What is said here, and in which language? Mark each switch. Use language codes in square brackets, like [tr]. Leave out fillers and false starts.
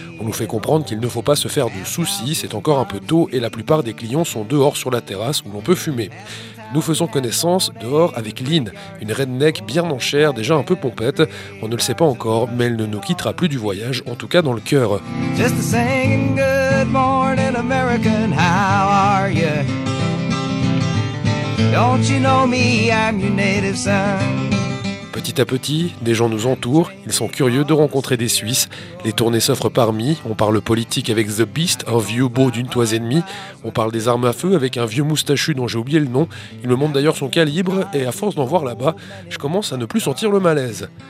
[fr] On nous fait comprendre qu'il ne faut pas se faire de soucis, c'est encore un peu tôt et la plupart des clients sont dehors sur la terrasse où l'on peut fumer. Nous faisons connaissance dehors avec Lynn, une redneck bien en chair, déjà un peu pompette. On ne le sait pas encore, mais elle ne nous quittera plus du voyage, en tout cas dans le cœur. [en] Just a singing good morning, American, how are you? Don't you know me, I'm your native son. [fr] Petit à petit, des gens nous entourent, ils sont curieux de rencontrer des Suisses. Les tournées s'offrent parmi, on parle politique avec The Beast, un vieux beau d'une toise et demie. On parle des armes à feu avec un vieux moustachu dont j'ai oublié le nom. Il me montre d'ailleurs son calibre et à force d'en voir là-bas, je commence à ne plus sentir le malaise.